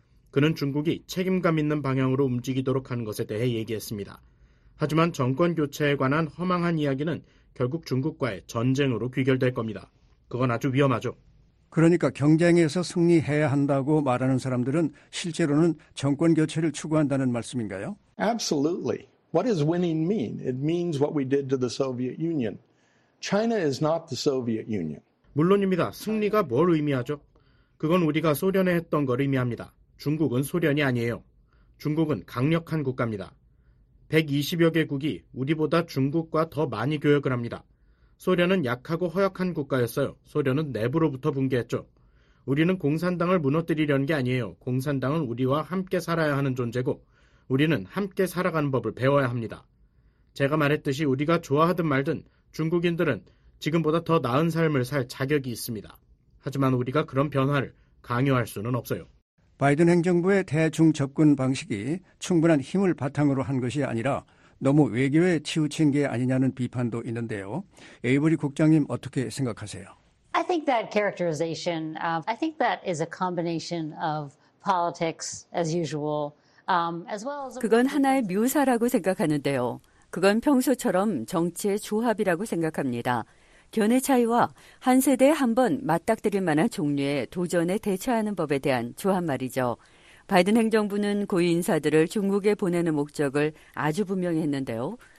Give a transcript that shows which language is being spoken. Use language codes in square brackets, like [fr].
[ko] 그는 중국이 책임감 있는 방향으로 움직이도록 하는 것에 대해 얘기했습니다. 하지만 정권 교체에 관한 허망한 이야기는 결국 중국과의 전쟁으로 귀결될 겁니다. 그건 아주 위험하죠. 그러니까 경쟁에서 승리해야 한다고 말하는 사람들은 실제로는 정권 교체를 추구한다는 말씀인가요? [en] Absolutely. What does winning mean? It means what we did to the Soviet Union. China is not the Soviet Union. [ko] 물론입니다. 승리가 뭘 의미하죠? 그건 우리가 소련에 했던 걸 의미합니다. 중국은 소련이 아니에요. 중국은 강력한 국가입니다. 120여 개국이 우리보다 중국과 더 많이 교역을 합니다. 소련은 약하고 허약한 국가였어요. 소련은 내부로부터 붕괴했죠. 우리는 공산당을 무너뜨리려는 게 아니에요. 공산당은 우리와 함께 살아야 하는 존재고 우리는 함께 살아가는 법을 배워야 합니다. 제가 말했듯이 우리가 좋아하든 말든 중국인들은 지금보다 더 나은 삶을 살 자격이 있습니다. 하지만 우리가 그런 변화를 강요할 수는 없어요. 바이든 행정부의 대중 접근 방식이 충분한 힘을 바탕으로 한 것이 아니라 너무 외교에 치우친 게 아니냐는 비판도 있는데요. 에이버리 국장님 어떻게 생각하세요? [en] I think that characterization, I think that is a combination of politics as usual, as well as [ko] 그건 하나의 묘사라고 생각하는데요. 그건 평소처럼 정치의 조합이라고 생각합니다. 견해 차이와 한 세대에 한 번 맞닥뜨릴 만한 종류의 도전에 대처하는 법에 대한 조합 말이죠. 바이든 행정부는 고위 인사들을 중국에 보내는 목적을 아주 분명히 했는데요.